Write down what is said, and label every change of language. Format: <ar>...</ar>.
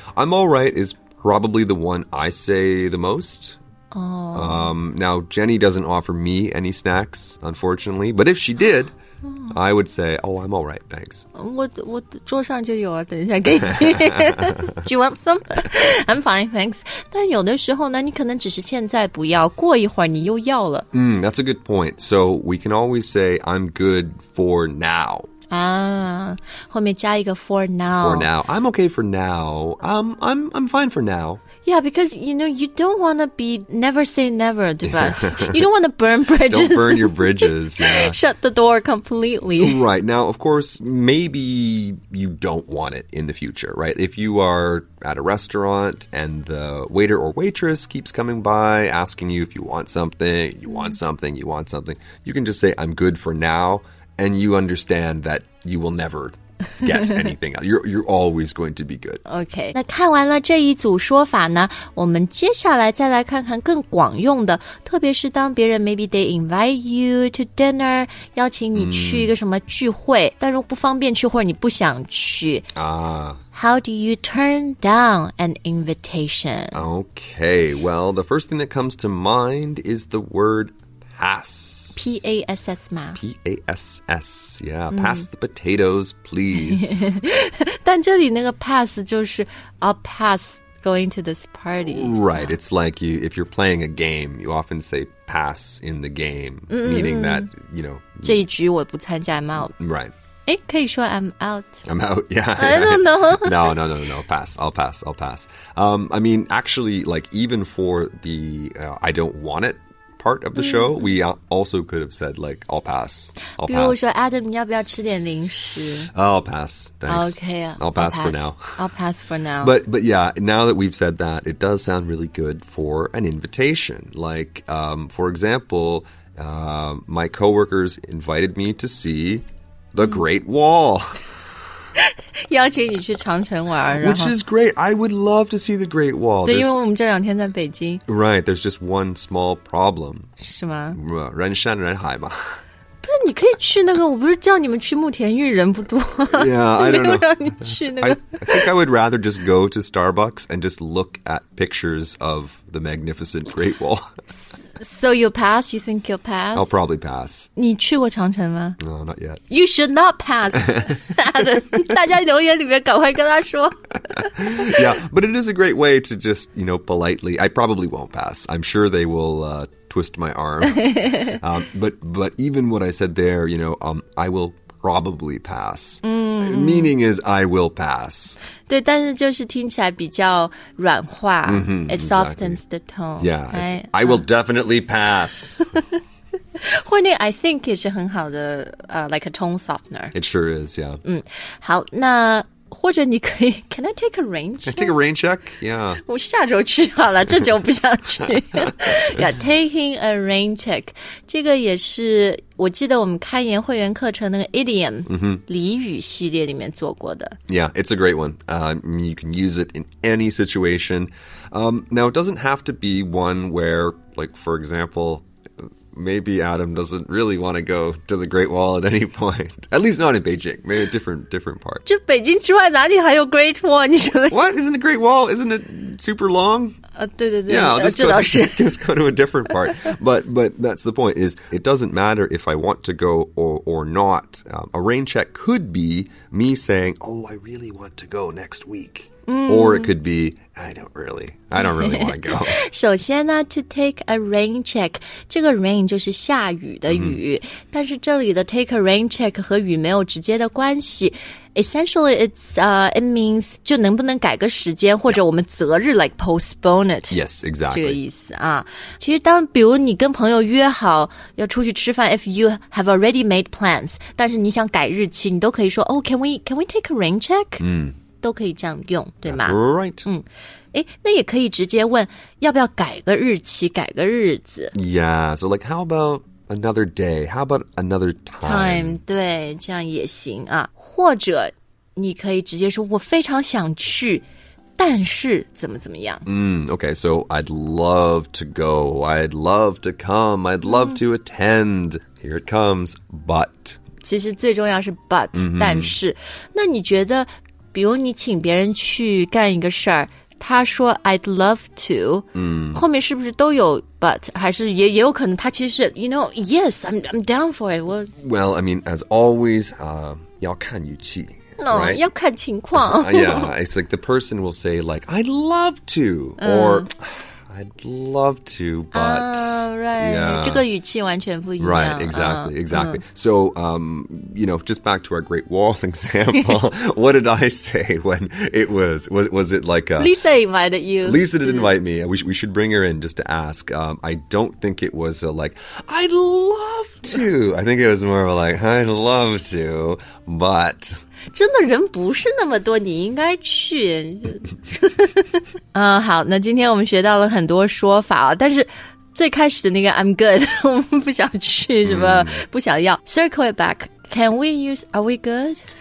<en>I'm all right is probably the one I say the most. Oh. Now, Jenny doesn't offer me any snacks, unfortunately. But if she did, I would say, oh, I'm all right, thanks.</en> <zh>我桌上就有啊，等一下给你。</zh> <en>Do you want some? I'm fine, thanks.</en> <zh>但有的时候呢，你可能只是现在不要，过一会儿你又要了。</zh> <en>That's a good point. So we can always say, I'm good for now.</en> <zh>啊，后面加一个</zh> <en>for now. For now. I'm okay for now. I'm fine for now. Yeah, because, you know, you don't want to be never say never,</en> <zh>对吧?</zh> <en>You don't want to burn bridges. Don't burn your bridges, yeah. Shut the door completely. Right. Now, of course, maybe you don't want it in the future, right? If you are at a restaurant and the waiter or waitress keeps coming by asking you if you want something, you want something, you want something, you can just say, I'm good for now, and you understand that you will never... get anything else. You're always going to be good. Okay.</en> <zh>那看完了这一组说法呢，我们接下来再来看看更广用的，特别是当别人</zh> <en>maybe they invite you to dinner,</en> <zh>邀请你去一个什么聚会，但如果不方便去或者你不想去。</zh> <en>How do you turn down an invitation? Okay. Well, the first thing that comes to mind is the word pass. P-A-S-S, ma. P-A-S-S, yeah. Pass the potatoes, please.</en> <zh>但这里那个</zh> <en>pass</en> <zh>就是</zh> <en>I'll pass going to this party. Right, it's like you, if you're playing a game, you often say pass in the game, meaning that, you know.</en> <zh>这一局我不参加</zh> <en>I'm out. Right.</en> <zh>诶可以说</zh> <en>I'm out. I'm out, yeah. I don't know. No. Pass. I mean, actually, like, even for the I don't want it,part of the show, we also could have said, like, I'll pass.</en> <zh>比如说 Adam, 你要不要吃点零食?</zh> <en>I'll pass, thanks. Okay, I'll pass for now. But yeah, now that we've said that, it does sound really good for an invitation. Like, for example, my coworkers invited me to see the Great Wall.</en> <zh>邀请你去长城玩</zh> <en>Which is great. I would love to see the Great Wall.</en> <zh>对，因为我们这两天在北京。</zh> <en>Right, there's just one small problem.</en> <zh>是吗？人山人海嘛。不是，你可以去那个，我不是叫你们去慕田峪，人不多。</zh> <en>Yeah, I don't know.</en> <zh>没有让你去那个。</zh> <en>I think I would rather just go to Starbucks and just look at pictures of the magnificent Great Wall. So you'll pass? You think you'll pass? I'll probably pass.</en> <zh>你去过长城吗？</zh> <en>No, not yet. You should not pass.</en> <zh>大家留言里面赶快跟他说。</zh> <en>Yeah, but it is a great way to just, you know, politely, I probably won't pass. I'm sure they will, twist my arm. but even what I said there, you know, I will probably pass. Mm. Meaning is I will pass.</en> <zh>对，但是就是听起来比较软化。 Mm-hmm,</zh> <en>it softens the tone. Yeah, right? I will definitely pass.</en> <zh>或那</zh> <en>I think</en> <zh>也是很好的</zh> <en>like a tone softener. It sure is, yeah.</en> <zh>嗯，好，那或者你可以</zh> <en>Can I take a rain check? Can I take a rain check? Yeah.</en> <zh>我下周去好了，这周不想去。</zh> <en>Yeah, taking a rain check.</en> <zh>这个也是我记得我们开言会员课程那个 idiom、 mm-hmm. 俚语系列里面做过的。</zh> <en>Yeah, it's a great one. You can use it in any situation. Now, it doesn't have to be one where, like, for example, maybe Adam doesn't really want to go to the Great Wall at any point. At least not in Beijing. Maybe a different part.</en> <zh>就北京之外哪里还有 Great Wall? 你觉得</zh> <en>What? Isn't the Great Wall? Isn't it super long?</en> <zh>对对对</zh> <en>yeah, I'll just,</en> <zh>这倒是</zh> <en>just go to a different part. But that's the point, is it doesn't matter if I want to go or not. A rain check could be me saying, oh, I really want to go next week. Mm. Or it could be, I don't really want to go.</en> <zh>首先呢</zh> <en>to take a rain check,</en> <zh>这个 rain 就是下雨的雨、mm-hmm. 但是这里的 take a rain check 和雨没有直接的关系。</zh> <en>Essentially, it means</en> <zh>就能不能改个时间或者我们择日</zh> <en>like postpone it. Yes, exactly.</en> <zh>这个意思啊。其实当比如你跟朋友约好要出去吃饭</zh> <en>if you have already made plans,</en> <zh>但是你想改日期你都可以说</zh> <en>oh, can we take a rain check? 嗯、mm.</en> <zh>都可以这样用，对吗</zh> <en>That's right.</en> <zh>嗯，诶，那也可以直接问，要不要改个日期，改个日子。</zh> <en>Yeah, so like, how about another day? How about another time? Time,</en> <zh>对，这样也行啊。或者你可以直接说，我非常想去，但是怎么怎么样。</zh> <en>Okay, so I'd love to go, I'd love to come, I'd love to attend. Here it comes, but.</en> <zh>其实最重要是 but,、 mm-hmm. 但是。那你觉得比如你请别人去干一个事儿，他说</zh> <en>I'd love to、嗯、</en> <zh>后面是不是都有</zh> <en>but</en> <zh>还是 也有可能他其实是</zh> <en>you know, yes, I'm down for it、What? Well, I mean, as always、</en> <zh>要看语气、</zh> <en>no, right?</en> <zh>要看情况</zh> <en>Yeah, it's like the person will say like I'd love to、or I'd love to, but、 right. yeah.</en> <zh>这个语气完全不一样</zh> <en>Right, exactly, exactly、So, you know, just back to our Great Wall example What did I say when it was it like Lisa invited you Lisa did invite me we should bring her in just to ask、I don't think it was like I'd love to I think it was more of like I'd love to, but</en> <zh>真的人不是那么多你应该去好那今天我们学到了很多说法但是最开始的那个</zh> <en>I'm good</en> <zh>我们不想去什么、不想要</zh> <en>Circle it back Can we use Are we good?</en>